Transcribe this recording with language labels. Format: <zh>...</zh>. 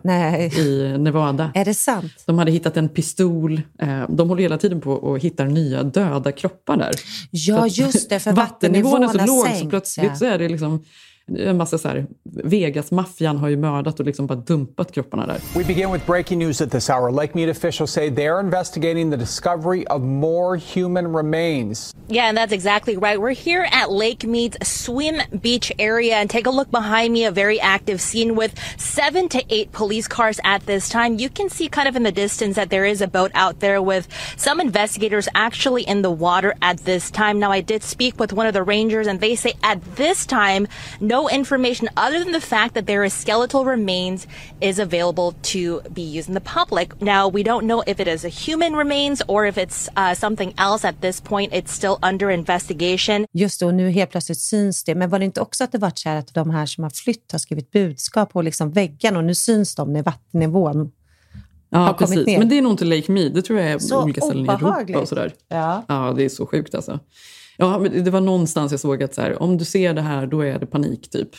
<sv>Nej. I Nevada. Är det sant? De hade hittat en pistol. De håller hela tiden på och hittar nya döda kroppar där. Ja, just det, för vattennivån är så låg, så plötsligt så är det liksom en massa så här, Vegas-maffian har ju mördat och liksom bara dumpat kropparna där.</sv> <en>We begin with breaking news at this hour. Lake Mead officials say they're investigating the discovery of more human remains. Yeah, and that's exactly right. We're here at Lake Mead's swim beach area, and take a look behind me, a very active scene with 7 to 8 police cars at this time. You can see kind of in the distance that there is a boat out there with some investigators actually in the water at this time. Now, I did speak with one of the rangers, and they say at this time, no information other than the fact that there is skeletal remains is available to be used in the public. Now, we don't know if it is a human remains or if it's something else at this point. It's still under investigation.</en> <sv>Just då, nu helt plötsligt syns det. Men var det inte också att det varit så här att de här som har flytt har skrivit budskap på liksom väggen, och nu syns de när vattennivån ja, har precis. Kommit ner? Men det är nog inte Lake Mead. Det tror jag är så olika ställen i Europa och sådär. Ja. Ja, det är så sjukt alltså. Ja, men det var någonstans jag såg att så här, om du ser det här, då är det panik typ.</sv>